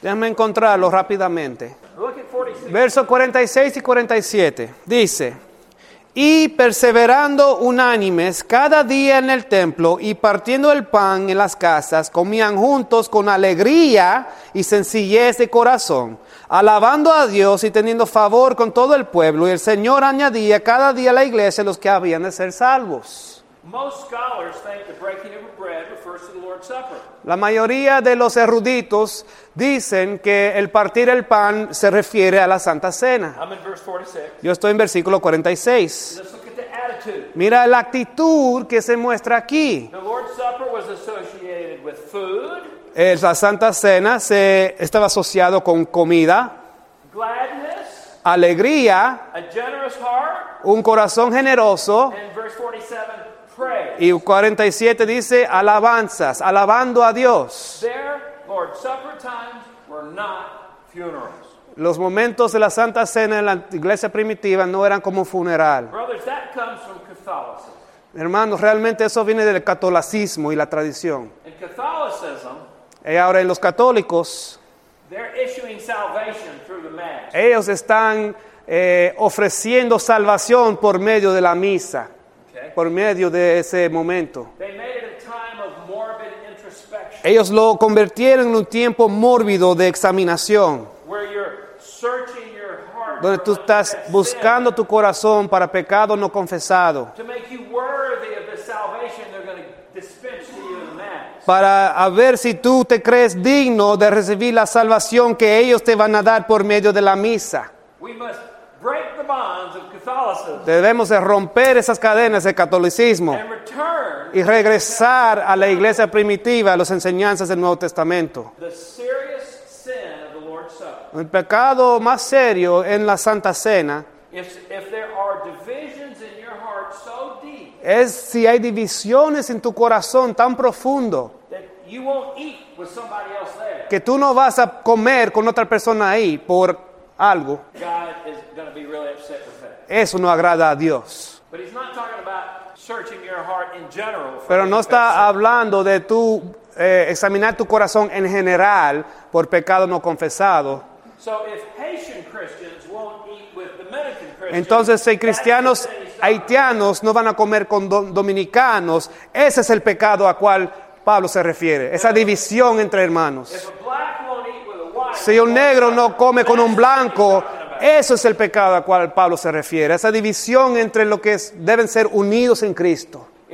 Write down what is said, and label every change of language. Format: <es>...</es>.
<es>Déjame encontrarlo rápidamente. Verso 46 y 47 dice: y perseverando unánimes cada día en el templo y partiendo el pan en las casas, comían juntos con alegría y sencillez de corazón, alabando a Dios y teniendo favor con todo el pueblo. Y el Señor añadía cada día a la iglesia los que habían de ser salvos.</es> <en>Most scholars think the breaking of bread refers to the Lord's Supper.</en> <es>La mayoría de los eruditos dicen que el partir el pan se refiere a la Santa Cena.</es> <en>I'm in verse 46.</en> <es>Yo estoy en versículo 46.</es> <en>Let's look at the attitude.</en> <es>Mira la actitud que se muestra aquí.</es> <en>The Lord's Supper was associated with food.</en> <es>La Santa Cena estaba asociado con comida.</es> <en>Gladness.</en> <es>Alegría.</es> <en>A generous heart.</en> <es>Un corazón generoso.</es> <en>And verse 47. Praise.</en> <es>Y 47 dice alabanzas, alabando a Dios.</es> <en>Their Lord's Supper times were not funerals.</en> <es>Los momentos de la Santa Cena en la iglesia primitiva no eran como funeral.</es> <en>Brothers, that comes from Catholicism.</en> <es>Hermanos, realmente eso viene del catolicismo y la tradición.</es> <en>In Catholicism,</en> <es>y ahora en los católicos,</es> <en>they're issuing salvation through the mass.</en> <es>Ellos están ofreciendo salvación por medio de la misa. Por medio de ese momento.</es> <en>They made it a time of morbid introspection.</en> <es>Ellos lo convirtieron en un tiempo mórbido de examinación.</es> <en>Where you're searching your heart,</en> <es>donde tú estás buscando tu corazón para pecado no confesado.</es> <en>To make you worthy of the salvation they're going to dispense to you in mass.</en> <es>para a ver si tú te crees digno de recibir la salvación que ellos te van a dar por medio de la misa.</es> <en>We must break the bonds of Catholicism.</en> <es>Debemos de romper esas cadenas del catolicismo</es> <en>and return</en> <es>y regresar a la iglesia primitiva, a las enseñanzas del Nuevo Testamento.</es> <en>The serious sin of the Lord's Supper.</en> <es>El pecado más serio en la Santa Cena.</es> <en>If there are divisions in your heart so deep,</en> <es>es si hay divisiones en tu corazón tan profundo</es> <en>that you won't eat with somebody else there.</en> <es>Que tú no vas a comer con otra persona ahí por algo,</es> <en>God is going to be really upset with that.</en> <es>Eso no agrada a Dios.</es> <en>But he's not talking about searching your heart in general for</en> <es>pero no está hablando de tú examinar tu corazón en general por pecado no confesado.</es> <en>So if Haitian Christians won't eat with Dominican Christians,</en> <es>entonces si cristianos haitianos no van a comer con dominicanos, ese es el pecado a cual Pablo se refiere, esa división entre hermanos. Si un negro no come con un blanco, eso es el pecado a cual Pablo se refiere, esa división entre lo que es, deben ser unidos en Cristo.</es>